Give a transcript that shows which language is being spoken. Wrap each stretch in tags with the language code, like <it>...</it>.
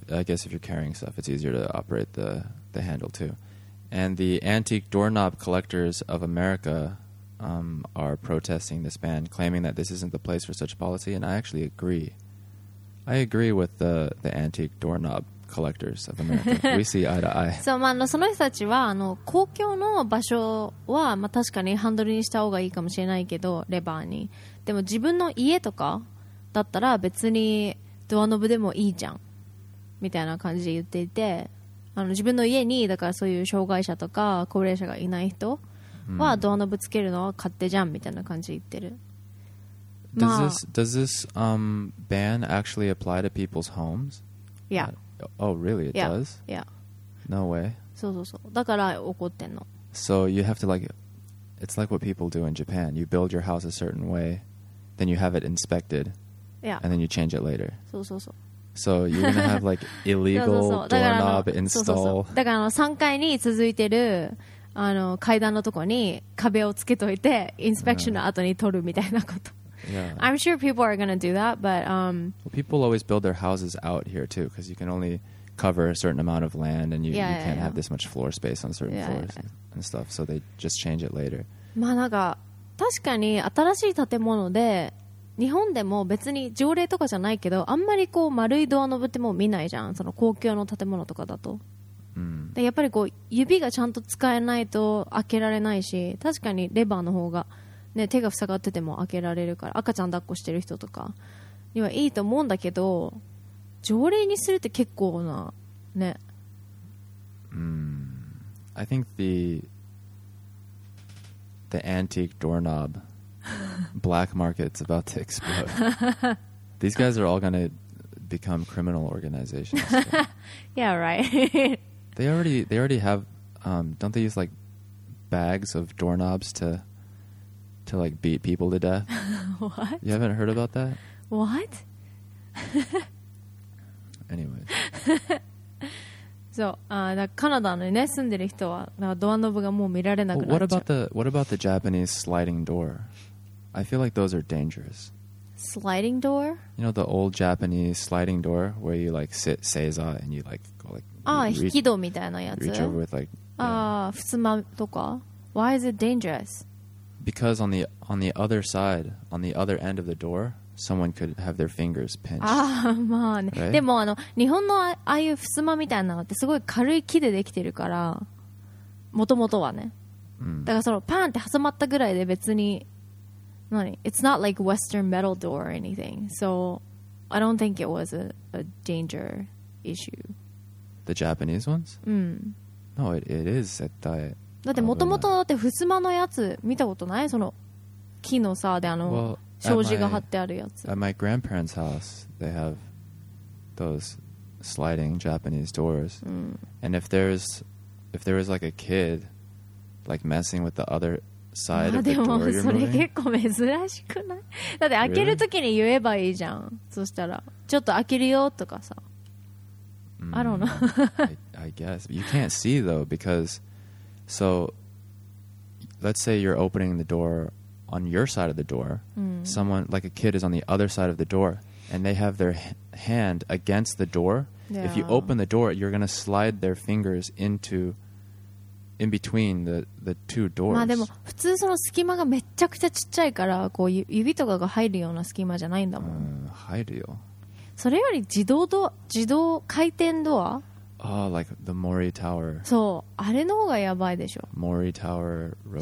<en>If you're carrying stuff, it's easier to operate the handle too. And the Antique Doorknob Collectors of America, are protesting this ban, claiming that this isn't the place for such policy. And I actually agree. I agree with the Antique Doorknob Collectors of America. We see eye to eye.</en> <ja>そう、まあ、その人たちはあの公共の場所は、まあ、確かにハンドルにした方がいいかもしれないけど、レバーに。でも自分の家とかだったら別にドアノブでもいいじゃんみたいな感じで言っていて、あの自分の家にだからそういう障害者とか高齢者がいない人はドアノブつけるのは勝手じゃんみたいな感じで言ってる。</ja> <en>Does this, ban actually apply to people's homes? Yeah. Oh, really? It yeah. does? Yeah. No way.</en> <ja>そうそうそう。だから怒ってんの。</ja> <en>So you have to like, it's like what people do in Japan. You build your house a certain way, then you have it inspected, yeah. and then you change it later.</en> <ja>そうそうそう。</ja> <en>So you're going to have like illegal doorknob install.</en> <ja>だからあの、3階に続いてるあの階段のとこに壁をつけといて、インスペクションの後に取るみたいなこと。</ja> <en>Yeah. I'm sure people are going to do that, but... Well, people always build their houses out here, too, because you can only cover a certain amount of land, and you can't have this much floor space on certain floors and stuff, so they just change it later.</en> <ja>まあなんか、確かに新しい建物で、日本でも別に条例とかじゃないけど、あんまりこう丸いドアノブっても見ないじゃん、その公共の建物とかだと。で、やっぱりこう指がちゃんと使えないと開けられないし、確かにレバーの方が、ね、手が塞がってても開けられるから赤ちゃん抱っこしてる人とかにはいいと思うんだけど、条例にするって結構なね。</ja> <en>I think the antique doorknob black market's about to explode. These guys are all gonna become criminal organizations. So. Yeah, right. they already have don't they use like bags of doorknobs to like beat people to death. What? You haven't heard about that? What? Anyway.</en> <ja>So, Canada のね住んでる人はドアノブがもう見られなくなっちゃう。</ja> <en>What about the Japanese sliding door? I feel like those are dangerous. Sliding door? You know the old Japanese sliding door where you like sit seiza and you like go like...</en> <ja>Ah, hikido みたいなやつ?</ja> <en>Reach over with like... Ah,</en> <ja>futsuma とか?</ja> <en>Why is it dangerous? Because on the other side, on the other end of the door, someone could have their fingers pinched.</en> <ja>Ah, まあね。でもあの、日本のああいうふすまみたいなのってすごい軽い木でできてるから、もともとはね。だからそのパンって挟まったぐらいで別に何?</ja> <en>It's not like Western metal door or anything. So I don't think it was a danger issue. The Japanese ones? No, it is.</en> <ja>だってもともとだってふすまのやつ見たことない? その木のさであの障子が張ってあるやつ。</ja> <en>At my grandparents' house, they have those sliding Japanese doors. And if there is like a kid like messing with the other...</en> <ja>でもそれ結構珍しくない?だって開けるときに言えばいいじゃん。そしたらちょっと開けるよとかさ。</ja> <en>I don't know. I guess. You can't see though because so let's say you're opening the door on your side of the door. Someone like a kid is on the other side of the door and they have their hand against the door. If you open the door, you're going to slide their fingers intooin between the two doors.</en> <ja>まあでも普通その隙間がめちゃくちゃちっちゃいからこう指とかが入るような隙間じゃないんだもん。入るよ。それより自動回転ドア?</ja> <en>Oh, like the Mori Tower.</en> <ja>そう、あれの方がやばいでしょ。</ja> <en>Mori Tower Road.</en>